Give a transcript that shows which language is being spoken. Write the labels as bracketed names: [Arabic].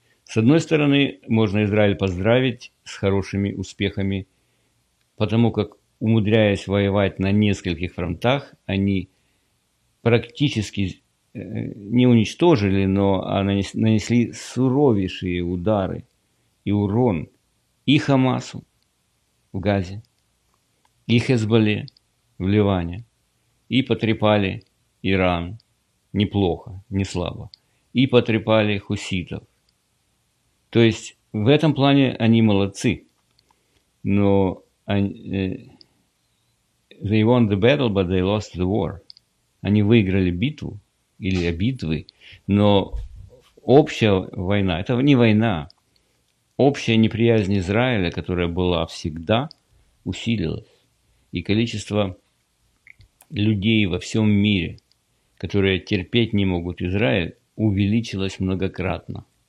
[Russian] С одной стороны, можно Израиль поздравить с хорошими успехами, потому как, умудряясь воевать на нескольких фронтах, они практически не уничтожили, но нанесли суровейшие удары и урон и Хамасу в Газе, и Хезболе в Ливане, и потрепали Иран неплохо, не слабо, и потрепали хуситов. То есть в этом плане они молодцы, но [English] they won the battle, but they lost the war. [Russian] Они выиграли битву или битвы, но общая война, это не война, общая неприязнь Израиля, которая была всегда, усилилась. И количество людей во всем мире, которые терпеть не могут Израиль, увеличилось многократно.